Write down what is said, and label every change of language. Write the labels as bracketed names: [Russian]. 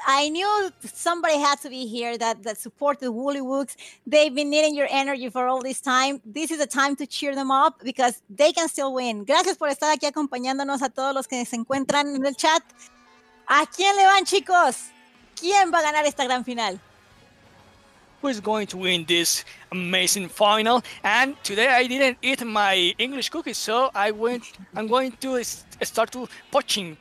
[English] I knew somebody had to be here that supported Woollywooks. They've been needing your energy for all this time. This is a time to cheer them up because they can still win. [Spanish] Gracias por estar aquí acompañándonos a todos los que se encuentran en el chat. ¿A quién le van, chicos? ¿Quién va a ganar esta gran final? [English] Who is going to win this amazing final? And today I didn't eat my English cookies, so I'm going to start to poaching.